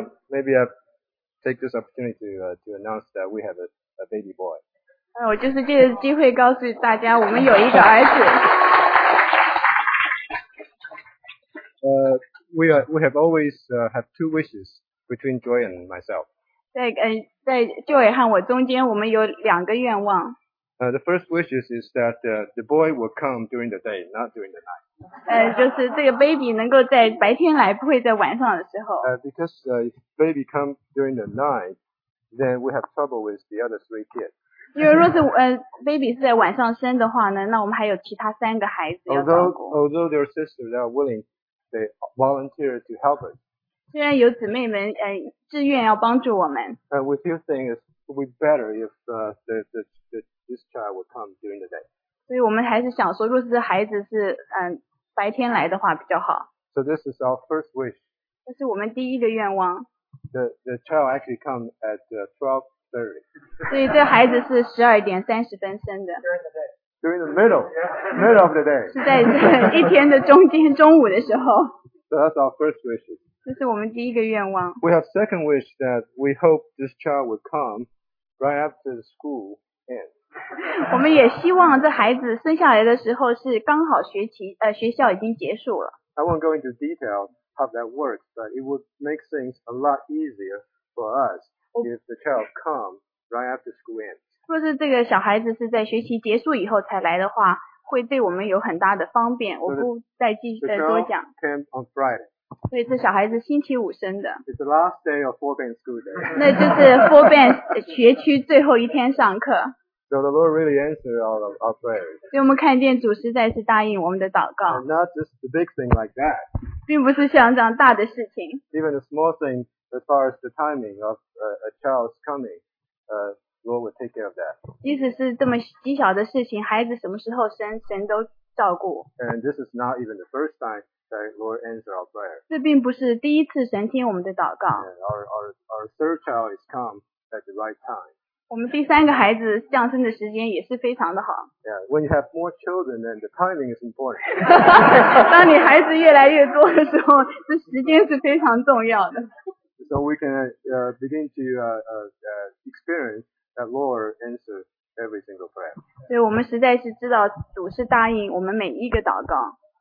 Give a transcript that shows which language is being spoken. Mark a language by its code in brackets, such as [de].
[en] maybe I take this opportunity to announce that we have a baby boy. [zh] 我就是借着机会告诉大家，我们有一个儿子。 [en] We have always have two wishes between Joy and myself. [zh] 在 Joy 和我中间，我们有两个愿望。 [en] The first wish is that the boy will come during the day, not during the night. [zh] 就是这个 baby 能够在白天来，不会在晚上的时候。 [en] Because if baby come during the night, then we have trouble with the other three kids. [zh] 因为若是baby 是在晚上生的话呢，那我们还有其他三个孩子要照顾。 [en] Although their sisters are willing. They volunteer to help us. [zh] 虽然有姊妹们志愿要帮助我们。 [en] We feel things would be better if this child would come during the day. [zh] 所以我们还是想说，若是孩子是白天来的话比较好。 [en] So this is our first wish. [zh] 这是我们第一个愿望。 [en] The child actually come at 12:30. [zh] 所以这孩子是12:30生的。 [en] During the middle of the day. [zh] 是在一天的中间中午的时候。 [en] So that's our first wish. [zh] 这是我们第一个愿望。 [en] We have second wish that we hope this child would come right after the school ends. [zh] 我们也希望这孩子生下来的时候是刚好学校已经结束了。 [en] I won't go into detail how that works, but it would make things a lot easier for us if the child come right after school ends. [zh] 若是这个小孩子是在学期结束以后才来的话，会对我们有很大的方便。我不再继续多讲。所以这小孩子星期五生的。 [en] It's the last day of four band school day. [zh] 那就是 four band 学区最后一天上课。 [en] So the Lord really answered all of our prayers. [zh] 所以我们看见主实在是答应我们的祷告。 [en] And not just the big thing like that. [zh] 并不是像这样大的事情。 [en] Even the small thing as far as the timing of a child's coming, Lord would take care of that. [zh] 即使是这么极小的事情，孩子什么时候生，神都照顾。 [en] And this is not even the first time that Lord answered our prayer. [zh] 这并不是第一次神听我们的祷告。 [en] And our third child is come at the right time. [zh] 我们第三个孩子降生的时间也是非常的好。 [en] Yeah, when you have more children, then the timing is important. [zh] 当你孩子越来越多的时候，这时间是非常重要的。 [en] So we can begin to experience that Lord answers every single prayer. [zh] 所以我们实在是知道主是答应我们每一个祷告。